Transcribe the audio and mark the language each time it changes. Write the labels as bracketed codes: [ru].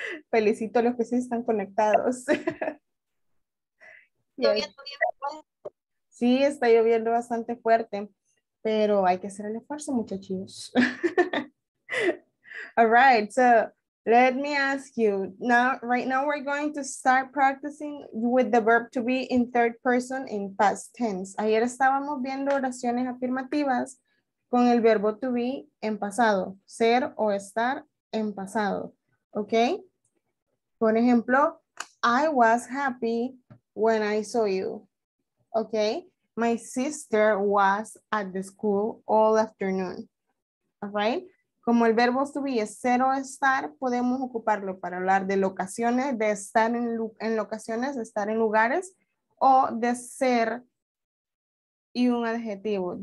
[es] Felicito a los que sí están conectados. Sí, está lloviendo bastante fuerte, pero hay que hacer el esfuerzo, muchachos. [en] All right, so let me ask you. Right now we're going to start practicing with the verb to be in third person in past tense. [es] Ayer estábamos viendo oraciones afirmativas con el verbo to be en pasado, ser o estar en pasado. [en] Okay? [es] Por ejemplo, [en] I was happy when I saw you. Okay? My sister was at the school all afternoon. All right? [es] Como el verbo to be es ser o estar, podemos ocuparlo para hablar de locaciones, de estar en locaciones, de estar en lugares, o de ser y un adjetivo.